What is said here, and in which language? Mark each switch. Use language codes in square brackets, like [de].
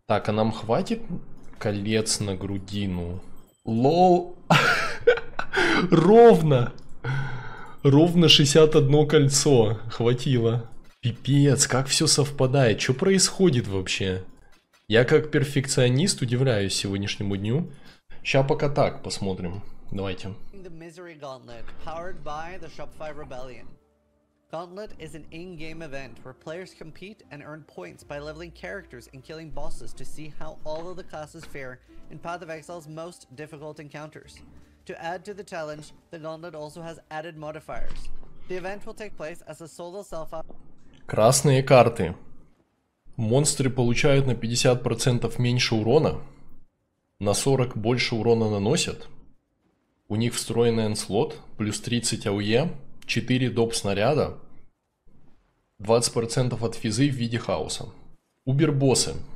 [ru] Так, а нам хватит колец на грудину? Лол! Ровно! Ровно 61 кольцо. Хватило. Пипец, как все совпадает. Что происходит вообще? Я как перфекционист удивляюсь сегодняшнему дню. Сейчас пока так посмотрим. Давайте. [en] The Misery Gauntlet, powered by the Shopify Rebellion. Gauntlet is an in-game event where players compete and earn points by leveling characters and killing bosses to see how all of the classes fare in Path of Exile's most difficult encounters. To add to the challenge, the Gauntlet also has added modifiers. The event will take place as a solo self-op. [ru] Красные карты. Монстры получают на 50% меньше урона. На 40 больше урона наносят. У них встроенный энслот. Плюс 30 АУЕ. 4 доп. Снаряда. 20% от физы в виде хаоса. Убербоссы.